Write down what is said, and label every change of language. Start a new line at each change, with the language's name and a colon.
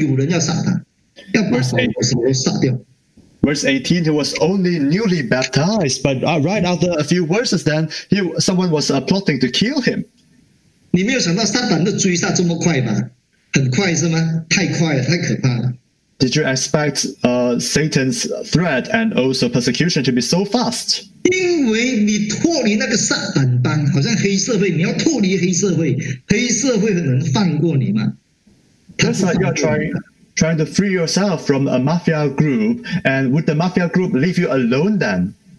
Chinese: 十八节才说他受洗归入主耶稣，23节才三节四节，过了三节四节，就有人要杀他，要把扫罗杀掉。
English: Verse 18, he was only newly baptized, but right after a few verses then, someone was plotting to kill him.
Chinese: 你没有想到撒旦的追杀这么快吗？很快是吗？太快了，太可怕了。
English: Did you expect Satan's threat and also persecution to be so fast?
Chinese: 因为你脱离那个撒旦帮，好像黑社会，你要脱离黑社会，黑社会能放过你吗？就是你要
English: trying to free yourself from a mafia group, and would the mafia group leave you alone then?